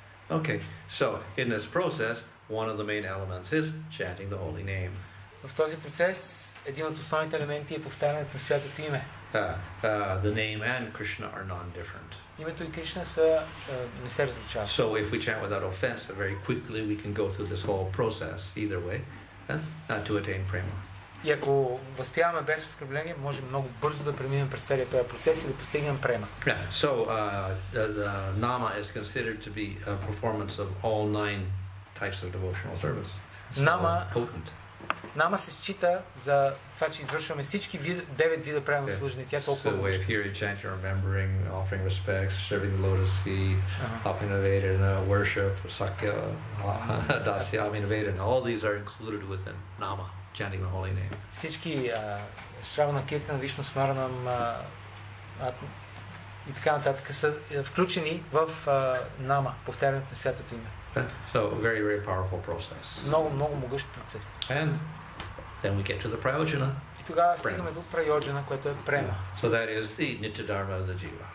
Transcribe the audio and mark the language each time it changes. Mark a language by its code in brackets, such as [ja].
[en] Okay, so in this process, one of the main elements is chanting the holy name. [bg] В този процес, един от основните елементи е повтарянето на святото име. [en] The name and Krishna are non-different. [bg] Името и Кришна са не се различават. [en] So if we chant without offense, very quickly we can go through this whole process either way, to attain prema. [bg] И ако възпяваме без оскърбление, можем много бързо да преминем през целия този процес и да постигнем према. [en] Yeah. So the nama is considered to be a performance of all nine types of devotional service. [bg] Нама Нама се счита за това, че извършваме всички девет вида правилно служене. Тя толкова е мъжка. [en] So here you chant, you're remembering, offering respects, serving the lotus feet, Abhinavedana, worship, Sakya, Dasya, Abhinavedana. All these are included within Nama, chanting the holy name. [bg] Всички Шравана, Киртана, Вишна, Смаранам, и така нататък са включени в нама, повтарянето на святото име. [en] So very, very powerful process. [bg] Много, много могъщ процес. [en] And then we get to the prayojana. [bg] И тогава стигаме до прайоджана, което е према. [en] So that is the nitya dharma of the jiva.